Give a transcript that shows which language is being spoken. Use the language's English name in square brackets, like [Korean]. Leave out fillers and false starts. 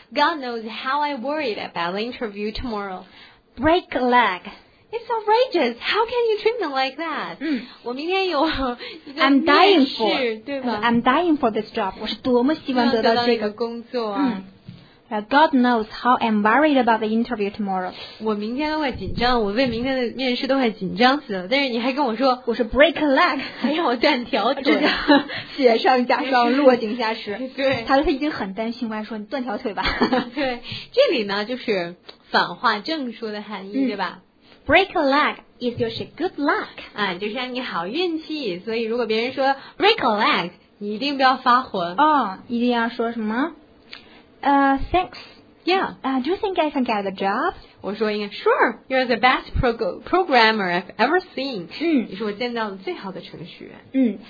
[English] God knows how I worried about the interview tomorrow. Break a leg. It's outrageous. How can you treat me like that? [Chinese] 我明天有一个面试，对吧 [English] ？I'm dying for this job. [Chinese] 我是多么希望得到这个工作。 [English] God knows how I'm worried about the interview tomorrow. [Chinese] 我明天都快紧张，我为明天的面试都快紧张死了。但是你还跟我说，我是 break a leg, 还让我断条腿，这叫雪上加霜，落井下石。对，他已经很担心，我还说你断条腿吧。对，这里呢就是反话正说的含义，对吧？ [English] Break a leg is just good luck. [Chinese] 就是让你好运气。所以如果别人说 break a leg, 你一定不要发火。一定要说什么？Thanks. [English] Yeah. Do you think I can get the job? [Chinese] 我说应该 [English] Sure, you're the best programmer I've ever seen. [Chinese] 你是我见到的最好的程序员。